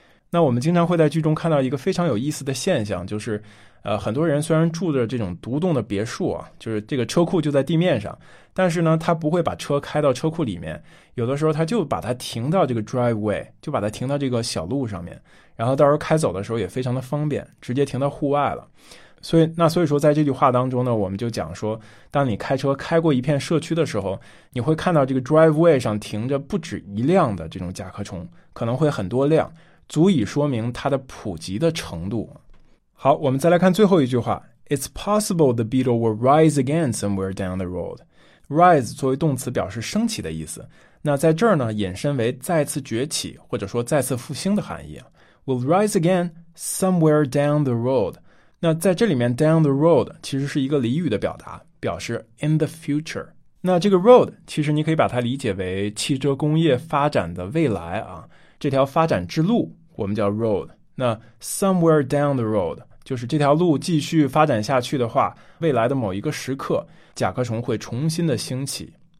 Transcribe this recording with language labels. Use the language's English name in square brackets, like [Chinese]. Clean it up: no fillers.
[Chinese] 那我们经常会在剧中看到一个非常有意思的现象，就是很多人虽然住着这种独栋的别墅啊，就是这个车库就在地面上，但是呢他不会把车开到车库里面，有的时候他就把它停到这个 driveway， 就把它停到这个小路上面，然后到时候开走的时候也非常的方便，直接停到户外了。所以说在这句话当中呢，我们就讲说，当你开车开过一片社区的时候，你会看到这个 driveway 上停着不止一辆的这种甲壳虫，可能会很多辆，足以说明它的普及的程度。好，我们再来看最后一句话， [English] It's possible the beetle will rise again somewhere down the road。 [Chinese] Rise 作为动词表示升起的意思，那在这儿呢引申为再次崛起或者说再次复兴的含义。 [English] Will rise again somewhere down the road， [Chinese] 那在这里面 down the road 其实是一个俚语的表达，表示 [English] in the future。 [Chinese] 那这个 road 其实你可以把它理解为汽车工业发展的未来啊，这条发展之路我们叫 road。那 [English] somewhere down the road [Chinese] 就是这条路继续发展下去的话，未来的某一个时刻甲壳虫会重新的兴起。